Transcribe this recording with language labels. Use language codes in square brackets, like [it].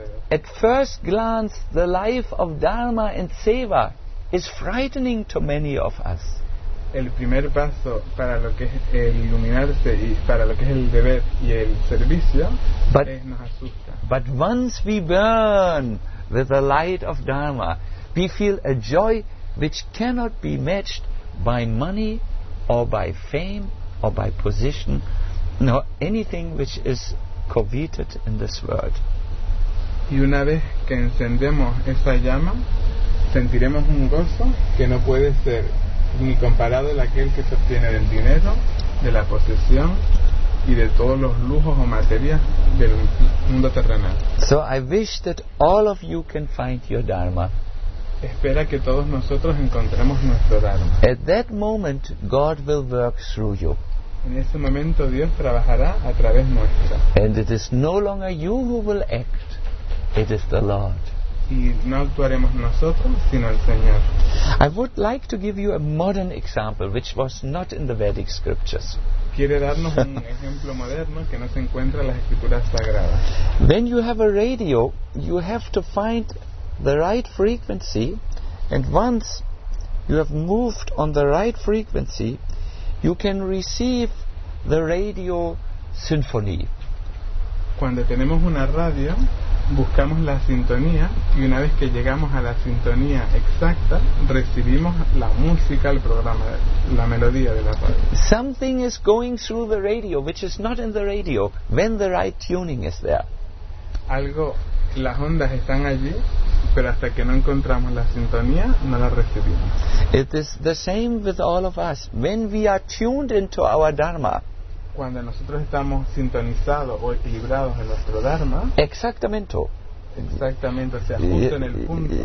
[en] At first glance, the life of dharma and seva is frightening to many of us. [es] El primer paso para lo que es el iluminarse y para lo que es el deber y el servicio, nos asusta. [en] But once we burn with the light of dharma, we feel a joy which cannot be matched by money or by fame or by position, nor anything which is coveted in this world. [es] Y una vez que encendemos esa llama, sentiremos un gozo que no puede ser ni comparado a aquel que se obtiene del dinero, de la posesión y de todos los lujos o materias del mundo terrenal. [en] So I wish that all of you can find your dharma. [es] Espera que todos nosotros encontremos nuestro dharma. [en] At that moment, God will work through you. [es] En ese momento Dios trabajará a través nuestra. [en] And it is no longer you who will act. It is the Lord. [es] Y no actuaremos nosotros, sino el Señor. [en] I would like to give you a modern example which was not in the Vedic scriptures. [es] Quiere darnos un ejemplo moderno que no se encuentra en las escrituras sagradas. [en] When you have a radio, you have to find the right frequency, and once you have moved on the right frequency, you can receive the radio symphony. [es] Cuando tenemos una radio, buscamos la sintonía, y una vez que llegamos a la sintonía exacta, recibimos la música, el programa, la melodía de la radio. [en] Something is going through the radio which is not in the radio when the right tuning is there. [es] Algo, las ondas están allí, pero hasta que no encontramos la sintonía, no la recibimos. [en] It is the same with all of us. When we are tuned into our dharma, [es] cuando nosotros estamos sintonizados o equilibrados en nuestro dharma. Exactamente. Exactamente, o sea, justo en el punto.